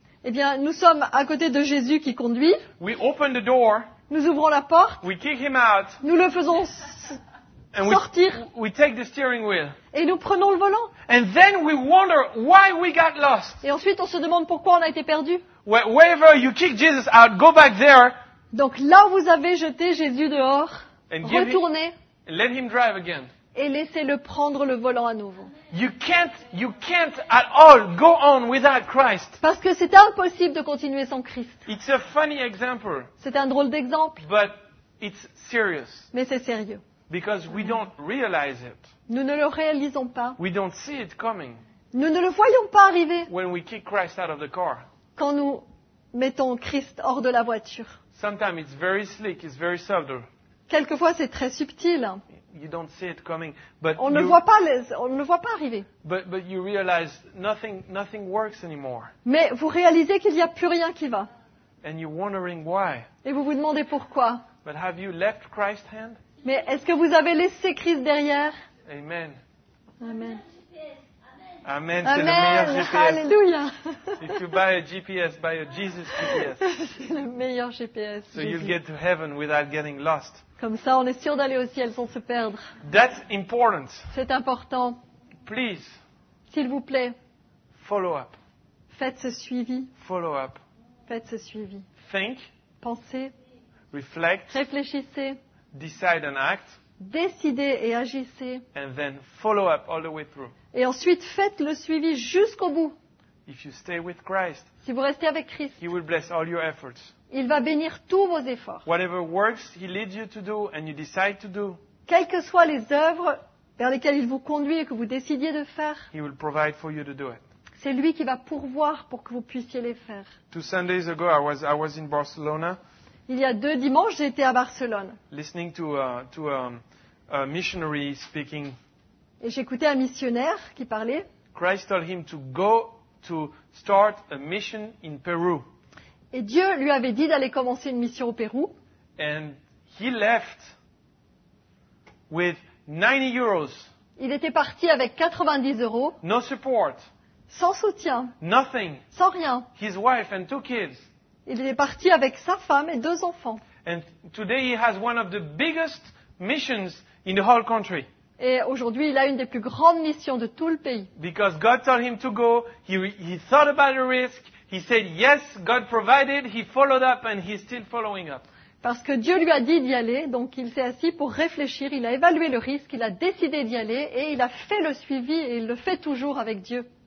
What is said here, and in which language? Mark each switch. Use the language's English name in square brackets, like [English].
[French] Eh bien, nous sommes à côté de Jésus qui conduit. [English] We open the door. [French] Nous ouvrons la porte. [English] We kick him out. [French] Nous le faisons sortir. [English] We take the steering wheel. [French] Et nous prenons le volant. [English] And then we wonder why we got lost. [French] Et ensuite, on se demande pourquoi on a été perdu. [English] Wherever you kick Jesus out, go back there. [French] Donc là où vous avez jeté Jésus dehors, retournez. [English] Let him drive again. [French] Et laissez-le prendre le volant à nouveau. [English] You can't at all go on without Christ. [French] Parce que c'est impossible de continuer sans Christ. [English] It's a funny example. [French] C'est un drôle d'exemple. [English] But it's serious. [French] Mais c'est sérieux. [English] Because we don't realize it. [French] Nous ne le réalisons pas. [English] We don't see it coming. [French] Nous ne le voyons pas arriver. [English] When we kick Christ out of the car. [French] Quand nous mettons Christ hors de la voiture. [English] Sometimes it's very slick, it's very subtle. [French] Quelquefois c'est très subtil. [English] You don't see it coming, but [French] on ne le voit pas arriver. [English] But you realize nothing works anymore. [French] Mais vous réalisez qu'il n'y a plus rien qui va. [English] And you're wondering why. [French] Et vous vous demandez pourquoi. [English] But have you left Christ's hand? [French] Mais est-ce que vous avez laissé Christ derrière? [English] Amen. [French] Amen. [English] Amen. [French] Amen. C'est le meilleur GPS. [English] Hallelujah. If you buy a GPS, buy a Jesus GPS. [French] C'est le meilleur GPS. [English] So you'll get to heaven without getting lost. [French] Comme ça, on est sûr d'aller au ciel sans se perdre. [English] That's important. [French] C'est important. [English] Please. [French] S'il vous plaît. [English] Follow up. [French] Faites ce suivi. [English] Follow up. [French] Faites ce suivi. [English] Think. [French] Pensez. [English] Reflect. [French] Réfléchissez. [English] Decide and act. [French] Décidez et agissez. [English] And then follow up all the way through. [French] Et ensuite, faites le suivi jusqu'au bout. [English] If you stay with Christ, [French] si vous restez avec Christ, [English] he will bless all your efforts. [French] Il va bénir tous vos efforts. [English] Whatever works he leads you to do and you decide to do. [French] Quelles que soient les œuvres vers lesquelles il vous conduit et que vous décidiez de faire. [English] He will provide for you to do it. [French] C'est lui qui va pourvoir pour que vous puissiez les faire. [English] Two Sundays ago I was in Barcelona. [French] Il y a deux dimanches j'étais à Barcelone. [English] Listening to a missionary speaking. [French] Et j'écoutais un missionnaire qui parlait. [English] Christ told him to go to start a mission in Peru. [French] Et Dieu lui avait dit d'aller commencer une mission au Pérou. [English] And he left with 90 euros. [French] Il était parti avec 90 euros. [English] No support. [French] Sans soutien. [English] Nothing. [French] Sans rien. [English] His wife and two kids. [French] Il est parti avec sa femme et deux enfants. [English] And today he has one of the biggest missions in the whole country. [French] Et aujourd'hui, il a une des plus grandes missions de tout le pays. [English] Because God told him to go, he thought about the risk. He said yes, God provided, he followed up and he's still following up. [French] Parce que Dieu lui a dit d'y aller, donc il s'est assis pour réfléchir, il a évalué le risque, il a décidé d'y aller et il a fait le suivi et il le fait toujours avec Dieu.